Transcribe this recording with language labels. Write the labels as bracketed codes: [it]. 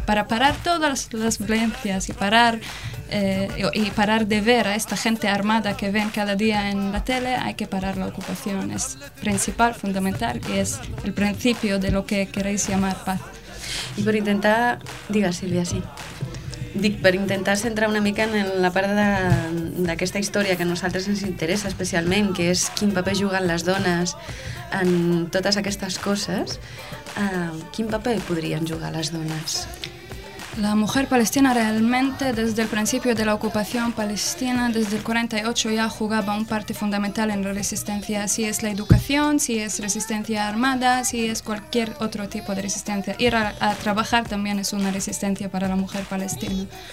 [es] Para parar todas las violencias y parar de ver a esta gente armada que ven cada día en la tele, hay que parar la ocupación. Es principal, fundamental, y es el principio de lo que queréis llamar paz. [ca] I per intentar... Digue, Sílvia, sí. Dic, per intentar centrar una mica en la part d'aquesta història que a nosaltres ens interessa especialment, que és quin paper juguen les dones en totes aquestes coses, quin paper podrien jugar les dones? [es] La mujer palestina realmente desde el principio de la ocupación palestina, desde el 48 ya jugaba un parte fundamental en la resistencia, si es la educación, si es resistencia armada, si es cualquier otro tipo de resistencia. Ir a trabajar también es una resistencia para la mujer palestina.